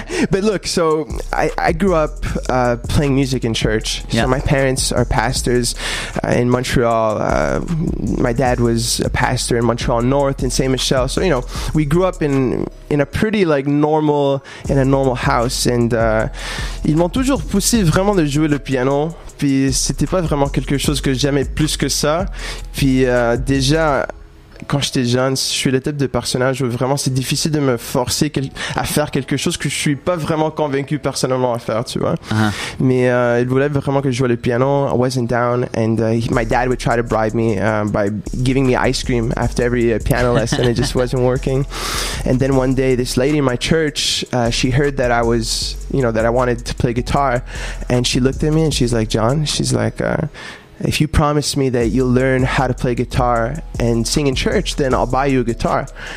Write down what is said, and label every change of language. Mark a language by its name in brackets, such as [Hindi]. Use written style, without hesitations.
[English] But look, so I grew up playing music in church. Yeah. So my parents are pastors in Montreal. My dad was a pastor in Montreal North in Saint Michel. So you know, we grew up in a normal house. [French] And ils m'ont toujours poussé vraiment de jouer le piano. Puis c'était pas vraiment quelque chose que j'aimais plus que ça. Puis déjà, quand j'étais jeune, je suis le type de personnage où vraiment c'est difficile de me forcer à faire quelque chose que je suis pas vraiment convaincu personnellement à faire, tu vois. Mais il voulait vraiment que je joue le piano. [English] I wasn't down, and my dad would try to bribe me by giving me ice cream after every piano lesson. It just wasn't working. And then one day, this lady in my church, she heard that I was, you know, that I wanted to play guitar, and she looked at me and she's like, John, she's like, if you promise me that you'll learn how to play guitar and sing in church, then I'll buy you a guitar.